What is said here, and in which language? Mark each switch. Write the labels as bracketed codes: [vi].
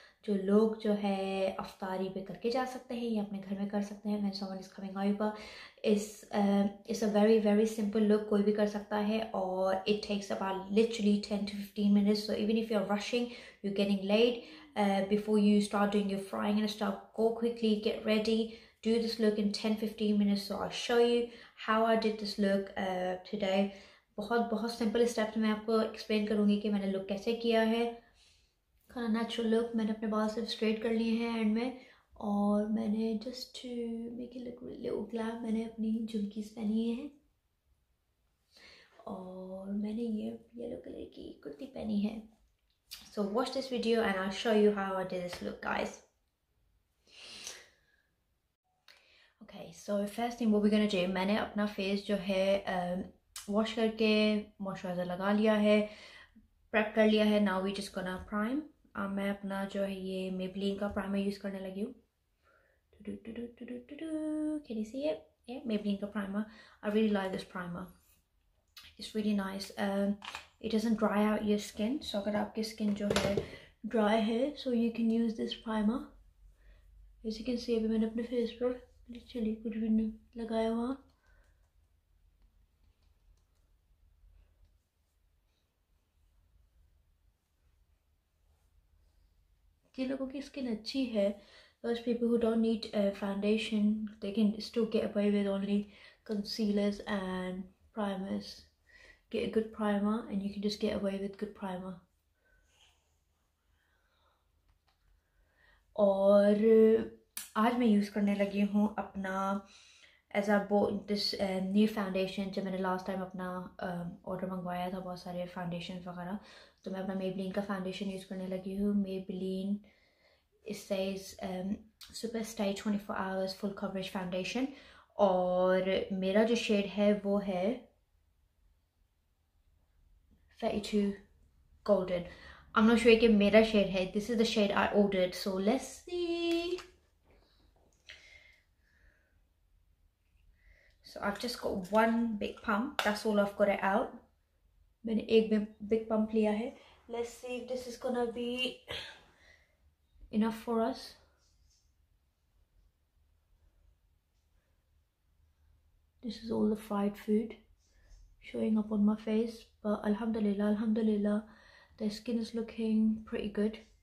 [hi] जो लोग जो है अफ्तारी पे करके जा सकते हैं या अपने घर में कर सकते हैं। [en] when someone is coming over it's a very very simple look, [hi] कोई भी कर सकता है [en] और it takes about literally 10 to 15 minutes, so even if you are rushing you getting late before you start doing your frying and stuff, go quickly, get ready, do this look in 10-15 minutes. So I'll show you how I did this look today. [hi] बहुत बहुत simple steps मैं आपको explain करूँगी कि मैंने look कैसे किया है. [en] Kind of natural look, [hi] मैंने अपने बाल सिर्फ straight कर लिए हैं end में और मैंने [en] just to make it look really glam [hi] मैंने अपनी झुमकीस पहनी हैं और मैंने ये yellow color की कुर्ती पहनी है. [en] So watch this video and I'll show you how I did this look, guys. Okay, so first thing what we're gonna do, [hi] मैंने अपना face जो है wash करके moisturizer लगा लिया है, prep कर लिया है. [en] Now we just gonna prime. [hi] मैं अपना जो है ये Maybelline का primer use करने लगी हूँ. [en] Can you see it? Yeah, Maybelline का primer. I really like this primer. It's really nice. It doesn't dry out your skin, so [hi] अगर आपकी skin जो है dry है, [en] so you can use this primer. As you can see, [hi] अभी मैंने अपने face पर literally कुछ भी नहीं लगाया हुआ. जिन लोगों की skin अच्छी है, [en] those people who don't need a foundation, they can still get away with only concealers and primers. Get a good primer and you can just get away with good primer. [hi] और आज मैं use करने लगी हूँ अपना [en] As I bought this new foundation. [hi] जब मैंने last time अपना ऑर्डर मंगवाया था बहुत सारे फाउंडेशन वगैरह, तो मैं अपना Maybelline का फाउंडेशन यूज़ करने लगी हूँ. [en] Maybelline it says super stay 24 hours full coverage foundation [hi] और मेरा जो शेड है वो है [en] 32 golden. I'm not sure [hi] कि मेरा शेड है. [en] This is the shade I ordered. So let's see. So I've just got one big pump. That's all I've got it out. [hi] मैंने एक big pump लिया है. [en] Let's see if this is gonna be enough for us. This is all the fried food showing up on my face, but alhamdulillah the skin is looking pretty good.